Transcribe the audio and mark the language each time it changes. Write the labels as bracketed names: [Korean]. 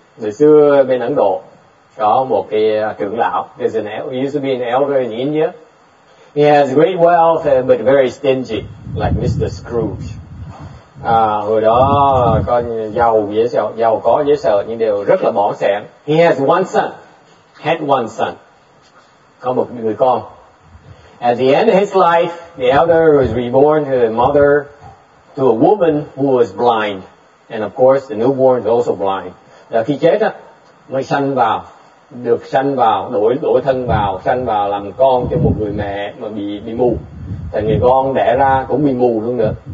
[Vietnamese] Hồi xưa bên Ấn Độ có một cái trưởng lão. [English] There's an elder, used to be an elder in India. He has great wealth but very stingy, like Mr. Scrooge. [Vietnamese] Hồi đó có giàu có dễ sợ nhưng đều rất là bỏng sẻn. [English] He has one son. Had one son. [Vietnamese] Có một người con. [English] At the end of his life, the elder was reborn to a mother, to a woman who was blind. And of course, the newborn is also blind. [Vietnamese] Và khi chết, mới sanh vào, được sanh vào, đổi thân vào, sanh vào làm con cho một người mẹ mà bị mù. Thì người con đẻ ra cũng bị mù luôn nữa.